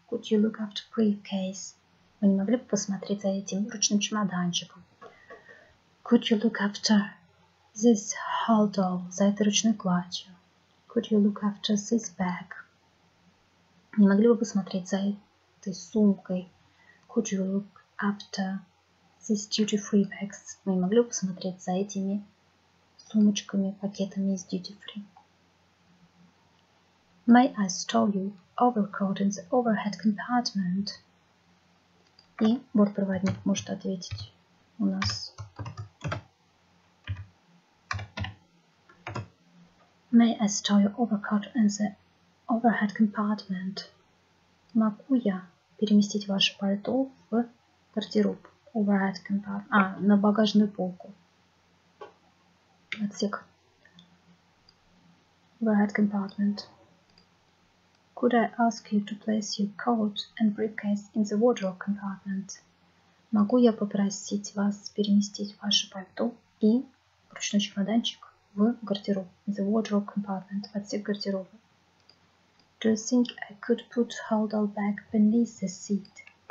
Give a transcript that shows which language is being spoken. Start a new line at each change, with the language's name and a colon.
English: Could you look after briefcase?
Russian: Вы не могли бы посмотреть за этим ручным чемоданчиком.
English: Could you look after this holdall?
Russian: За этой ручной кладью.
English: Could you look after this bag?
Russian: Не могли бы посмотреть за этой сумкой.
English: Could you look after this duty free bags?
Russian: Вы не могли бы посмотреть за этими сумочками, пакетами из duty free.
English: May I store your overcoat in the overhead compartment?
Russian: И бортпроводник может ответить у нас.
English: May I store your overcoat in the overhead compartment?
Russian: Могу я переместить ваше пальто в гардероб? Overhead compartment. А, на багажную полку. Отсек.
English: Overhead compartment. Could I ask you to place your coat and briefcase in the wardrobe compartment?
Russian: Могу я попросить вас переместить ваше пальто и ручной чемоданчик в гардероб?
English: In the wardrobe compartment.
Russian: Отсек гардероба.
English: Do you think I could put hold all bag beneath the seat?